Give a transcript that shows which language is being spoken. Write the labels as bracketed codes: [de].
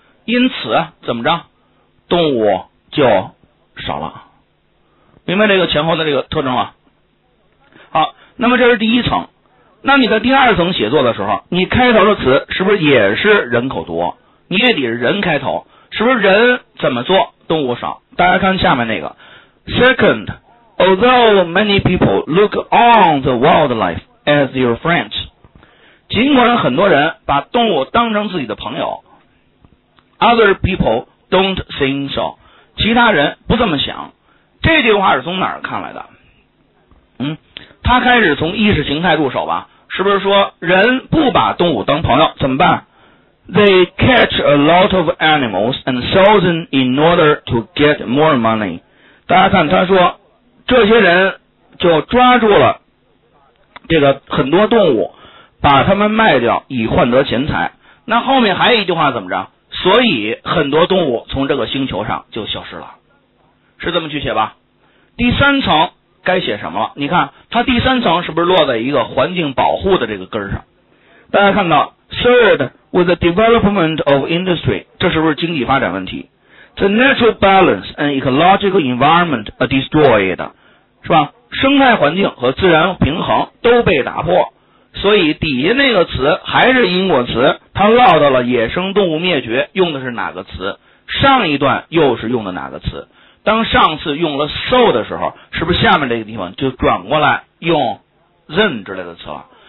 [zh] 因此怎么着，动物就少了。明白这个前后的这个特征啊。好，那么这是第一层。那你在第二层写作的时候，你开头的词是不是也是人口多，你也得是人开头，是不是人怎么做动物少。大家看下面那个 [en] Second, although many people look on the wildlife as your friends, [zh] 尽管很多人把动物当成自己的朋友， [en] Other people don't think so, [zh] 其他人不这么想。这句话是从哪儿看来的？他开始从意识形态入手吧，是不是说人不把动物当朋友怎么办？ [en] They catch a lot of animals and sell them in order to get more money. [zh] 大家看，他说这些人就抓住了这个很多动物，把他们卖掉以换得钱财。那后面还有一句话怎么着？所以很多动物从这个星球上就消失了，是这么去写吧。第三层该写什么了？你看它第三层是不是落在一个环境保护的这个根上？大家看到 [en] Third, with the development of industry, [zh] 这是不是经济发展问题？ [en] The natural balance and ecological environment are destroyed, [zh] 是吧？生态环境和自然平衡都被打破，所以底下那个词还是因果词，它落到了野生动物灭绝，用的是哪个词？上一段又是用的哪个词？当上次用了 so 的时候，是不是下面这个地方就转过来用 then 之类的词了？